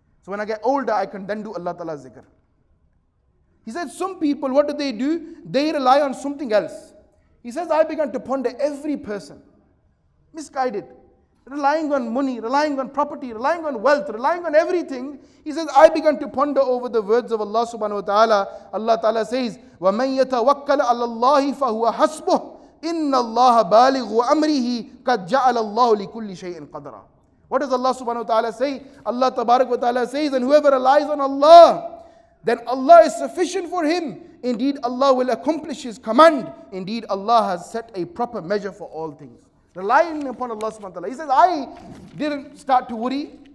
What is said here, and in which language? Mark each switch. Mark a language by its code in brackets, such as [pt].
[en] So when I get older, I can then do Allah Ta'ala's zikr. He said, some people, what do? They rely on something else. He says, I began to ponder every person. Misguided. Relying on money, relying on property, relying on wealth, relying on everything. He says, I began to ponder over the words of Allah subhanahu wa ta'ala. [ar] Allah ta'ala says, وَمَنْ يَتَوَكَّلَ عَلَى اللَّهِ فَهُوَ حَسْبُهُ إِنَّ اللَّهَ بَالِغُ أَمْرِهِ قَدْ جَعَلَ اللَّهُ لِكُلِّ شَيْءٍ قَدْرًا. [en] What does Allah subhanahu wa ta'ala say? Allah tabarak wa ta'ala says, and whoever relies on Allah, then Allah is sufficient for him. Indeed, Allah will accomplish his command. Indeed, Allah has set a proper measure for all things. Relying upon Allah subhanahu wa ta'ala. He says, I didn't start to worry.